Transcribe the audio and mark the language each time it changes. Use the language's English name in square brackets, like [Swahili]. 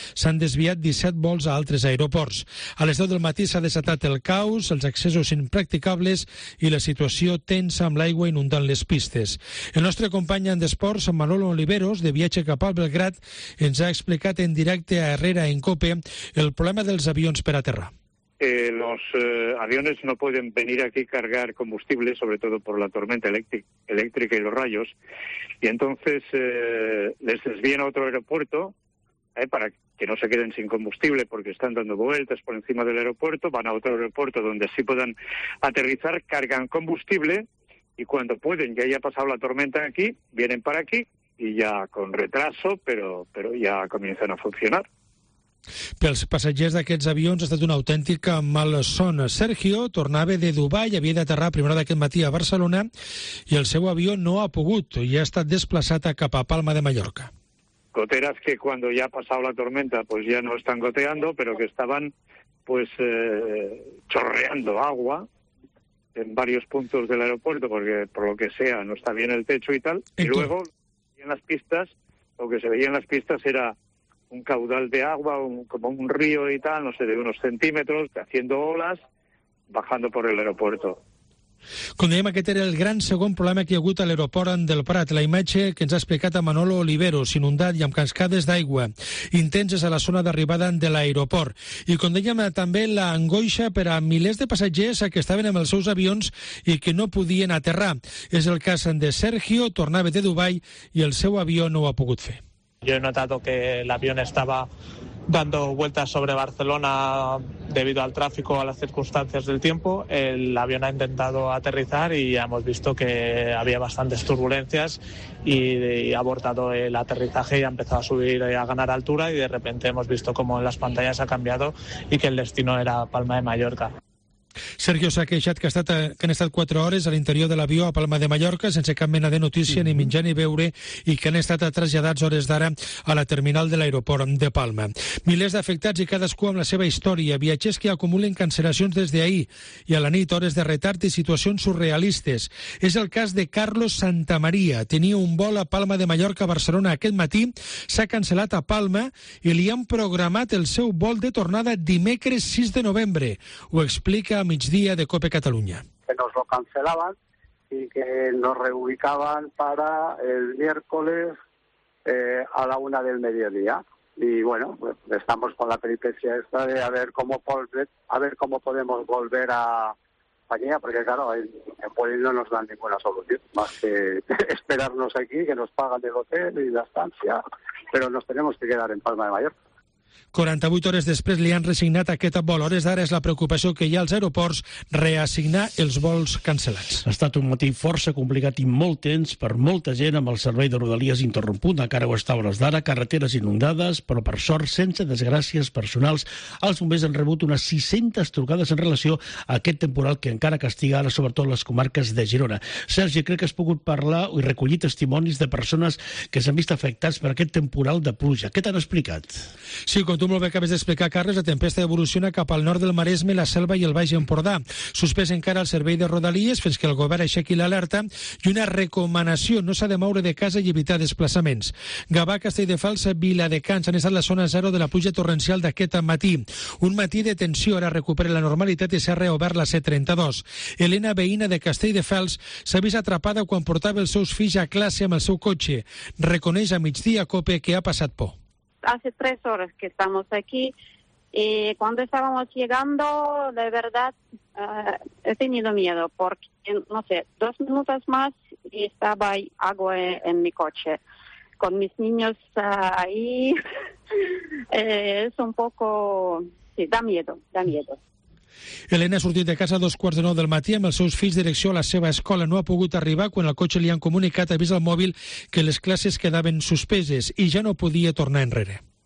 [Catalan] S'han desviat 17 vols a altres aeroports. A les 10 del matí s'ha desatat el caos, els accessos impracticables i la situació tensa amb l'aigua inundant les pistes. El nostre company en esports, Manolo Oliveros, de viatge cap al Belgrat, ens ha explicat en directe a Herrera, en COPE, el problema dels avions per aterrar. [Spanish] Los aviones no pueden venir aquí a cargar combustible, sobre todo por la tormenta eléctrica y los rayos, y entonces les desvían a otro aeropuerto para que no se queden sin combustible, porque están dando vueltas por encima del aeropuerto, van a otro aeropuerto donde sí puedan aterrizar, cargan combustible, y cuando pueden, ya haya pasado la tormenta aquí, vienen para aquí, y ya con retraso, pero ya comienzan a funcionar. [Catalan] Pels passatgers d'aquests avions ha estat una autèntica malson. Sergio tornava de Dubai, havia d'aterrar a primera hora d'aquest matí a Barcelona, i el seu avió no ha pogut, i ha estat desplaçat cap a Palma de Mallorca. [Spanish] Goteras que cuando ya ha pasado la tormenta pues ya no están goteando, pero que estaban pues chorreando agua en varios puntos del aeropuerto, porque por lo que sea no está bien el techo y tal. Y luego en las pistas, lo que se veía en las pistas era un caudal de agua, como un río y tal, no sé, de unos centímetros, haciendo olas, bajando por el aeropuerto. [Catalan] Com dèiem, aquest era el gran segon problema que hi ha hagut a l'aeroport del Prat. La imatge que ens ha explicat a Manolo Oliveros, inundat i amb cascades d'aigua intenses a la zona d'arribada de l'aeroport. I com dèiem, també l'angoixa per a milers de passatgers que estaven amb els seus avions i que no podien aterrar. És el cas de Sergio, tornava de Dubai i el seu avió no ho ha pogut fer. [Spanish] Yo he notado que el avión estaba dando vueltas sobre Barcelona debido al tráfico, a las circunstancias del tiempo. El avión ha intentado aterrizar y ya hemos visto que había bastantes turbulencias y ha abortado el aterrizaje y ha empezado a subir y a ganar altura, y de repente hemos visto cómo en las pantallas ha cambiado y que el destino era Palma de Mallorca. [Catalan] Sergio s'ha queixat que han estat 4 hores a l'interior de l'avió a Palma de Mallorca sense cap mena de notícia, ni menjar ni beure, i que han estat traslladats hores d'ara a la terminal de l'aeroport de Palma. Milers d'afectats i cadascú amb la seva història, viatgers que acumulen cancel·lacions des d'ahir i a la nit hores de retard i situacions surrealistes. És el cas de Carlos Santamaría. Tenia un vol a Palma de Mallorca a Barcelona aquest matí, s'ha cancel·lat a Palma i li han programat el seu vol de tornada dimecres 6 de novembre. Ho explica a migdia de COPE Catalunya. [Spanish] Que nos lo cancelaban y que nos reubicaban para el miércoles a la una del mediodía. Y bueno, pues estamos con la peripecia esta de a ver cómo podemos volver a España, porque claro, en Polín no nos dan ninguna solución más que esperarnos aquí, que nos pagan el hotel y la estancia, pero nos tenemos que quedar en Palma de Mallorca. [Catalan] 48 hores després li han resignat aquest vol. Hores d'ara és la preocupació que hi ha als aeroports, reassignar els vols cancel·lats. Ha estat un matí força complicat i molt tens per molta gent, amb el servei de Rodalies interromput, encara ho està a hores d'ara, carreteres inundades, però per sort, sense desgràcies personals. Els bombers han rebut unes 600 trucades en relació a aquest temporal que encara castiga ara sobretot les comarques de Girona. Sergi, crec que has pogut parlar i recollir testimonis de persones que s'han vist afectats per aquest temporal de pluja. Què t'han explicat? Sí, com tu molt bé acabes d'explicar, Carles, la tempesta evoluciona cap al nord del Maresme, la Selva i el Baix Empordà. Suspès encara el servei de Rodalies fins que el govern aixequi l'alerta i una recomanació, no s'ha de moure de casa i evitar desplaçaments. Gavà, Castelldefels, Viladecans han estat la zona zero de la pluja torrencial d'aquest matí. Un matí de tensió ara recupera la normalitat i s'ha reobert la C32. Elena, veïna de Castelldefels, s'ha vist atrapada quan portava els seus fills a classe amb el seu cotxe. Reconeix a migdia COPE que ha passat por. [Spanish] Hace 3 horas que estamos aquí y cuando estábamos llegando, de verdad, he tenido miedo porque, no sé, 2 minutos más y estaba ahí agua en mi coche con mis niños ahí. Es un poco, sí, da miedo, da miedo. [Catalan] Elena ha sortit de casa a 8:45 del matí amb els seus fills direcció a la seva escola. No ha pogut arribar quan el cotxe li han comunicat a vist al mòbil que les classes quedaven suspeses i ja no podia tornar enrere.